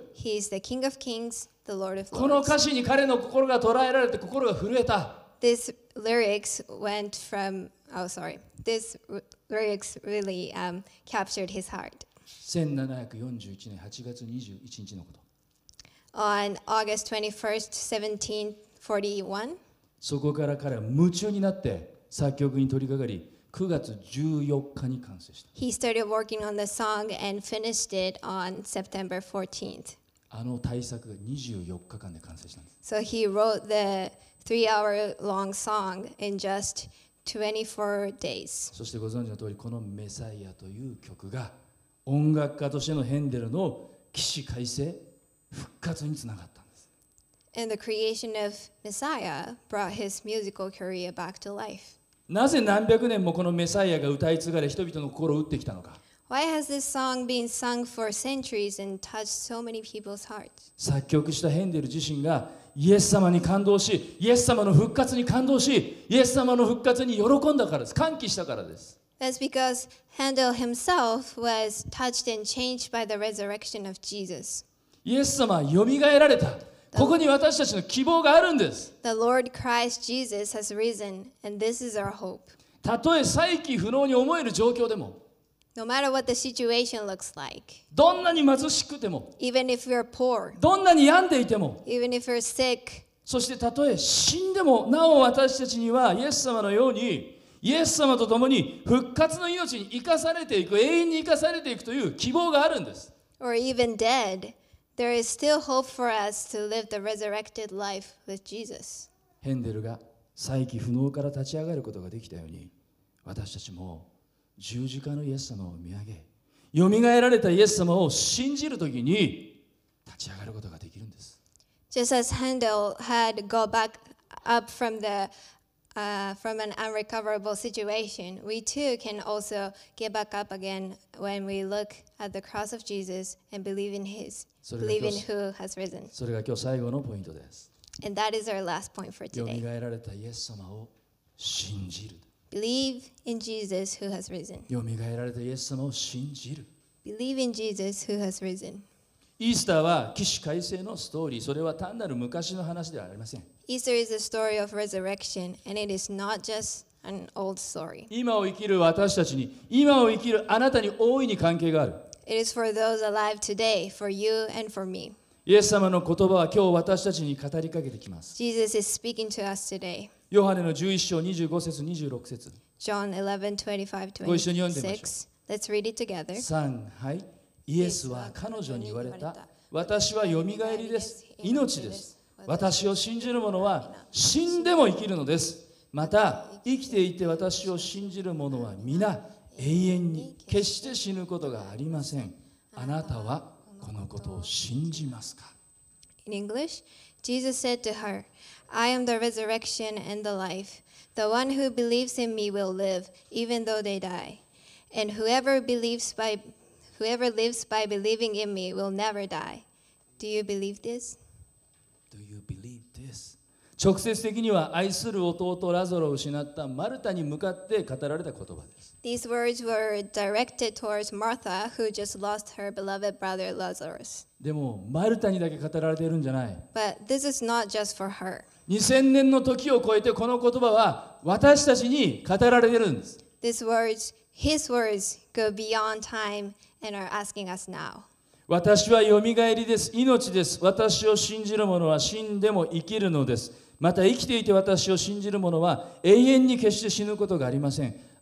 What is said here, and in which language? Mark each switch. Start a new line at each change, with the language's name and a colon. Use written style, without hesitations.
English: He is the King of Kings, the Lord of Lords.
Japanese: この歌詞に彼の心が捉えられて心が震えた。
English: This lyrics went from, oh sorry, this lyrics really captured his heart.
Japanese: 1741年8月21日のこと。
English: On August 21st, 1741.
Japanese: そこから彼は夢中になって作曲に取り掛かり、9月14日に完成した。
English: He started working on the song and finished it on September 14th.
Japanese: あの大作が24日間で完成したんです。
English: So he wrote the three-hour long song in just 24 days.
Japanese: そしてご存知の通り、このメサイアという曲が音楽家としてのヘンデルの起死回生、復活につながったんです。
English: And the creation of Messiah brought his musical career back to life.
Japanese: なぜ何百年もこのメサイアが歌い継がれ人々の心を打ってきたのか。
English: Why has this song been sung for centuries and touched so many people's hearts?
Japanese: 作曲したヘンデル自身がイエス様に感動し、イエス様の復活に感動し、イエス様の復活に喜んだからです。歓喜したからです。
English: That's because Handel himself was touched and changed by the resurrection of Jesus.
Japanese: イエス様はよみがえられた。ここに私たちの希望があるんです。
English: The Lord Christ Jesus has risen, and this is our hope.
Japanese: たとえ再起不能に思える状況でも、
English: No matter what the situation looks like,
Japanese: どんなに貧しくても、
English: even if you're poor,
Japanese: どんなに病んでいても、
English: even if you're sick,
Japanese: そしてたとえ死んでも、なお私たちにはイエス様のように、イエス様と共に復活の命に生かされていく、永遠に生かされていくという希望があるんです。
English: Or even dead, there is still hope for us to live the resurrected life with Jesus.
Japanese: ヘンデルが再起不能から立ち上がることができたように、私たちも十字架のイエス様を見上げ、よみがえられたイエス様を信じるときに立ち上がることができるんです。
English: Just as Handel had go back up from the from an unrecoverable situation, we too can also get back up again when we look at the cross of Jesus and believe in His, believe in who has risen.
Japanese: それが今日最後のポイントです。
English: And that is our last point for today.
Japanese: よみがえられたイエス様を信じる。
English: Believe in Jesus who has risen.
Japanese: よみがえられたイエス様を信じる。
English: Believe in Jesus who has risen.
Japanese: イースターは起死回生のストーリー、それは単なる昔の話ではありません。
English: Easter is a story of resurrection, and it is not just an old story.
Japanese: 今を生きる私たちに、今を生きるあなたに大いに関係がある。
English: It is for those alive today, for you and for me.
Japanese: イエス様の言葉は今日私たちに語りかけてきます。
English: Jesus is speaking to us today.
Japanese: ヨハネの11章25節26節
English: John 11:25-26.
Japanese: ご一緒に読んでみましょう。
English: Let's read it together.
Japanese: 3、はい、イエスは彼女に言われた。私はよみがえりです、命です。私を信じる者は死んでも生きるのです。また生きていて私を信じる者は皆永遠に、決して死ぬことがありません。あなたはこのことを信じますか。
English: In English, Jesus said to herI am the resurrection and the life. The one who believes in me will live, even though they die. And whoever lives by believing in me will never die. Do you believe this? Do you believe this?
Japanese: 直接的には愛する弟ラゾロを失ったマルタに向かって語られた言葉です。
English: These words were directed towards Martha, who just lost her beloved brother Lazarus.
Japanese: でもマルタにだけ語られているんじゃない。
English: But this is not just for her.
Japanese: 2000年の時を超えてこの言葉は私たちに語られているんです。
English: This words, his words go beyond time and are asking us now.
Japanese: 私はよみがえりです、命です。私を信じる者は死んでも生きるのです。また生きていて私を信じる者は永遠に決して死ぬことがありません。